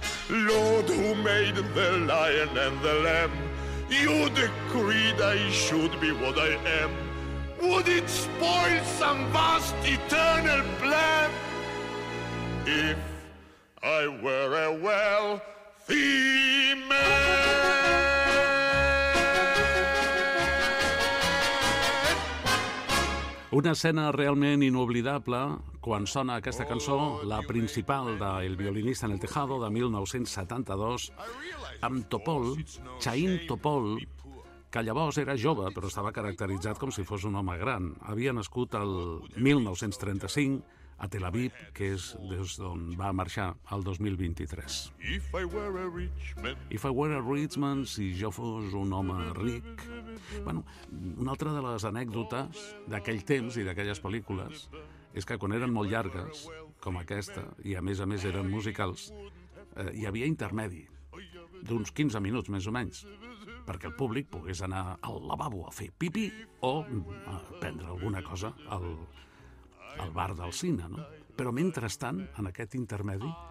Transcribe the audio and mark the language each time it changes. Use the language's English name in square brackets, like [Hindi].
[English] Lord, who made the lion and the lamb, you decreed I should be what I am. Would it spoil some vast eternal plan if I were a wealthy man? [Catalan] Una escena realment inoblidable quan sona aquesta cançó, la principal de El Violinista en el Tejado, de 1972, amb Topol, Chaim Topol, que llavors era jove, però estava caracteritzat com si fos un home gran. Havia nascut el 1935 a Tel Aviv, que és des d'on va marxar el 2023. [English] If I were a rich man, [Catalan] si jo fos un home ric... Bueno, una altra de les anècdotes d'aquell temps i d'aquelles pel·lícules és que quan eren molt llargues, com aquesta, i a més eren musicals, hi havia intermedi d'uns 15 minuts, més o menys, perquè el públic pogués anar al lavabo a fer pipí o a prendre alguna cosa al bar del cine, no? Però mentrestant, en aquest intermedi,